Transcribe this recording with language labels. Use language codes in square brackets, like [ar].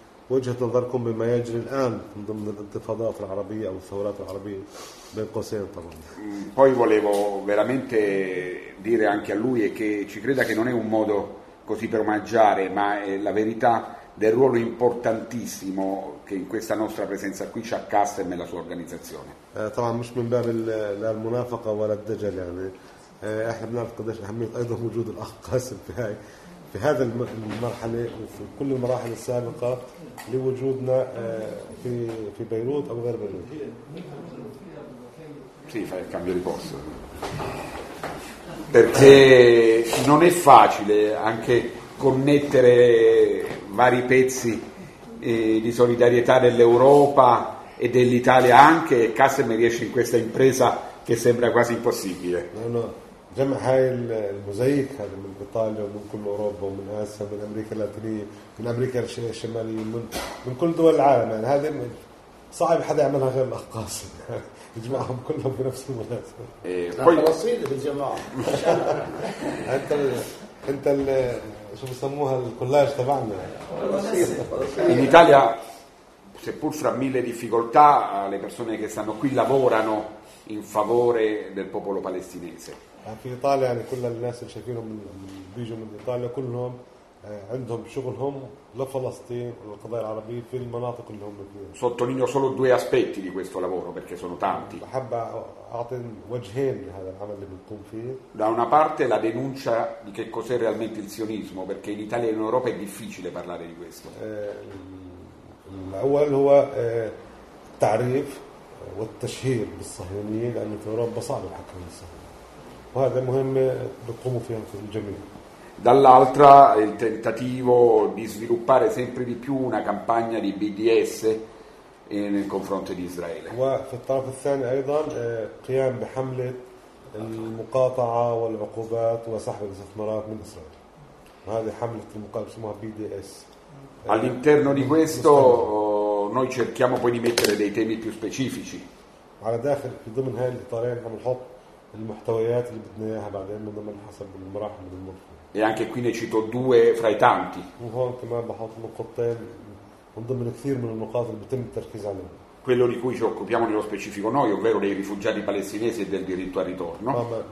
[ar] وجهة نظركم بما يجري الآن من ضمن الانتفاضات العربية أو الثورات العربية بين قوسين طبعا. [it] Poi volevo veramente dire anche a lui e che ci creda che non è un modo così per omaggiare, ma è la verità del ruolo importantissimo che in questa nostra presenza qui c'ha Qasem e la sua organizzazione. [ar] طبعا مش من باب المنافقة ولا الدجل يعني احنا بنعرف قديش أهمية أيضا وجود الأخ قاسم في هاي في هذا المرحلة وفي كل المراحل السابقة لوجودنا في بيروت أو غير بيروت. [it] Sì, fai il cambio di posto. Perché non è facile anche connettere vari pezzi di solidarietà dell'Europa e dell'Italia anche e Qasem riesce in questa impresa che sembra quasi impossibile. No. [ar] جمع هاي المزيك هذا من إيطاليا ومن كل أوروبا ومن آسيا ومن أمريكا اللاتينية من أمريكا الشمالية من كل دول العالم يعني هذا صعب حدا يعملها غير القاسم يجمعهم كلهم بنفس المناسبة. فلسطين بالجماعة. أنت ال أنت ال شو بسموها الكولاج تبعنا. [it] In Italia, seppur fra mille difficoltà, le persone che stanno qui lavorano in favore del popolo palestinese. [ar] في إيطاليا يعني كل الناس اللي شايفينهم بيجوا من إيطاليا كلهم عندهم شغلهم لفلسطين والقضايا العربية في المناطق اللي هم فيها. [it] Sottolineo solo due aspetti di questo lavoro perché sono tanti. [ar] بحب أعطي وجهين لهذا العمل اللي بنقوم فيه. [it] Da una parte la denuncia di che cos'è realmente il sionismo perché in Italia e in Europa è difficile parlare di questo. [ar] الأول هو التعريف والتشهير بالصهيونية لأن في أوروبا صعب الحكم عن الصهيونية وهذا مهم بقوموا فيها في الجميع. [it] Dall'altra il tentativo di sviluppare sempre di più una campagna di BDS nel confronto di Israele. [ar] وفي الطرف الثاني أيضا قيام بحملة المقاطعة والعقوبات وسحب الاستثمارات من إسرائيل. هذه حملة المقاطعة اسمها BDS. [it] All'interno di questo noi cerchiamo poi di mettere dei temi più specifici. [ar] على داخل في ضمن هاي الإطارين هنحط المحتويات اللي بدنا إياها بعدين من ضمن حسب المراحل من المرحلة. [it] E anche qui ne cito due fra i tanti. Quello di cui ci occupiamo nello specifico noi, ovvero dei rifugiati palestinesi e del diritto al ritorno.